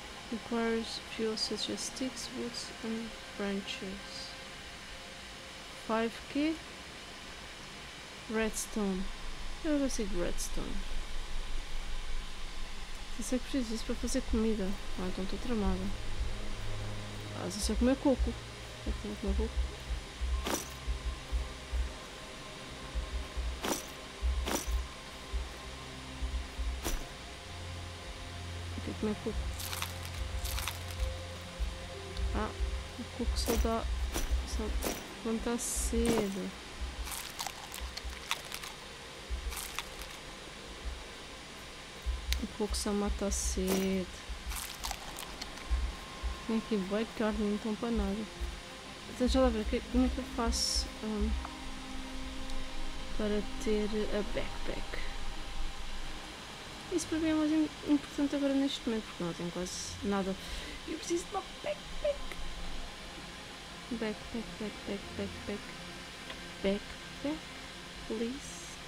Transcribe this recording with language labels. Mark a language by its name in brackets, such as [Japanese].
[English] Requires fuel such as sticks, woods and branches. 5k. Redstone. [Portuguese] Eu não consigo redstone. Eu sei que preciso disso para fazer comida. Ah, então estou tramada. Ah, só sei comer coco. Eu tenho que comer coco. Como é coco? Ah, o coco só dá. Só levanta cedo. O coco só mata cedo. Tem aqui boa carne, então para nada. Deixa lá ver como é que eu faço para ter a backpack. Isso para mim é mais importante agora neste momento, porque não tenho quase nada. Eu preciso de uma backpack! [English] Backpack, backpack, backpack, backpack, please.